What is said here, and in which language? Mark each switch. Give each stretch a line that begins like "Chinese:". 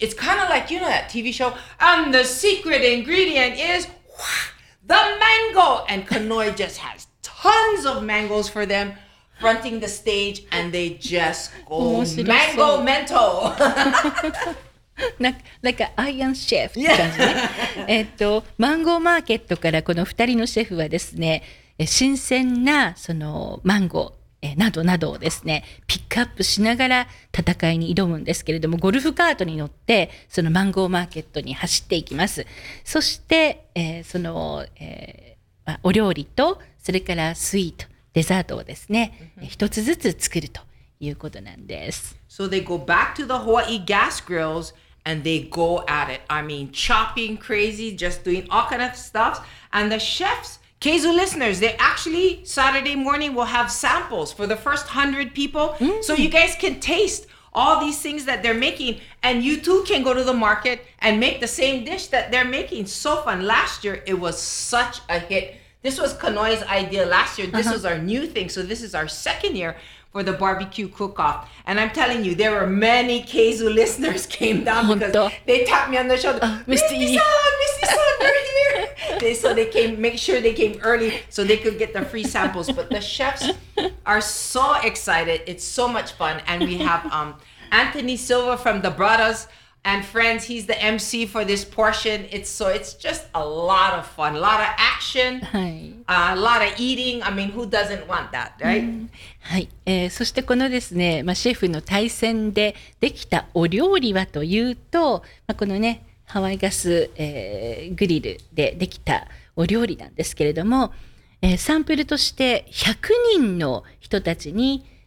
English: It's kind of like, you know, that TV show. And the secret ingredient is the mango. And Kanoi just has tons of mangoes for them, fronting the stage, and they just go mango mento.
Japanese: なんかアイアンシェフって感じね。
English: <Yeah.
Japanese: 笑> マンゴーマーケットからこの2人のシェフはですね、新鮮なそのマンゴーなどなどをですね、ピックアップしながら戦いに挑むんですけれども、ゴルフカートに乗ってそのマンゴーマーケットに走っていきます。そして、その、お料理とそれからスイートデザートをですね、一つずつ作るということなんです。
English: So they go back to the Hawaii gas grills and they go at it. I mean, chopping crazy, just doing all kind of stuff. And the chefs, Keizu listeners, they actually Saturday morning will have samples for the first 100 people. Mm-hmm. So you guys can taste all these things that they're making. And you too can go to the market and make the same dish that they're making. So fun. Last year, it was such a hit. This was Kanoi's idea last year. This was our new thing. So this is our second year for the barbecue cook-off. And I'm telling you, there were many Keizu listeners came down because they tapped me on the shoulder. Missy-san, we're here. So they came, make sure they came early so they could get the free samples. But the chefs are so excited. It's so much fun. And we have Anthony Silva from the Brothers and Friends. He's the MC for this portion. It's just a lot of fun, a lot of action, a lot of eating. I mean, who doesn't want that, right?
Japanese: はい、そしてこのですね、まあ、シェフの対戦でできたお料理はというと、まあ、このねハワイガス、グリルでできたお料理なんですけれども、サンプルとして100人の人たちに、